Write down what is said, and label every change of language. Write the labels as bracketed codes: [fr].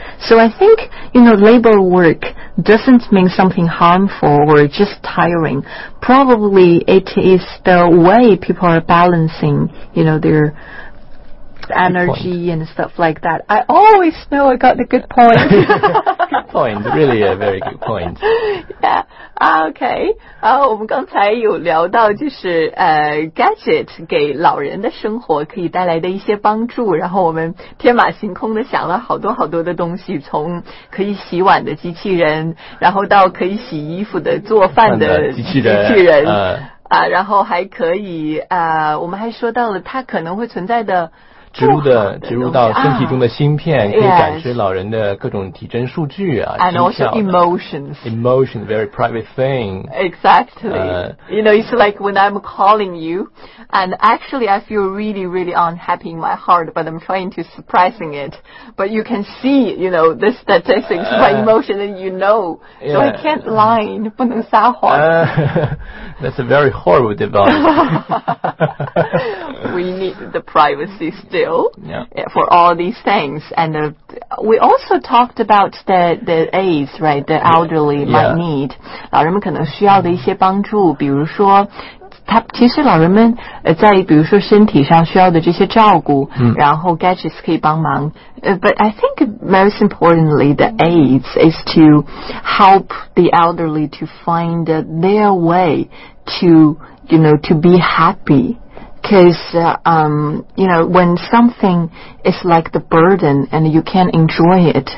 [en] So I think, you know, labor work doesn't mean something harmful or just tiring. Probably it is the way people are balancing, you know, their energy and stuff like that. I always know I got the good point. Good point, really a very good point. Yeah, okay. [zh] 我们刚才有聊到就是gadget 给老人的生活可以带来的一些帮助，然后我们天马行空的想了好多好多的东西，从可以洗碗的机器人，然后到可以洗衣服的做饭的机器人然后还可以我们还说到了它可能会存在的植入到身体中的芯片，可以感知老人的各种体征数据啊。 [en] And also emotions. Emotion, very private thing. Exactly. You know, it's like when I'm calling you, and actually I feel really, really unhappy in my heart, but I'm trying to suppressing it. But you can see, you know, the statistics, my emotion, and you know. Yeah. So I can't lie, [zh] 不能撒谎。 [en] That's a very horrible device. We need the privacy still for all these things. And we also talked about the aids, right, the elderly might need. [zh] 老人们可能需要的一些帮助，比如说他其实老人们在比如说身体上需要的这些照顾，然后 gadgets 可以帮忙。 [en] But I think most importantly, the aids is to help the elderly to find their way to, you know, to be happy. Because, you know, when something is like the burden and you can't enjoy it.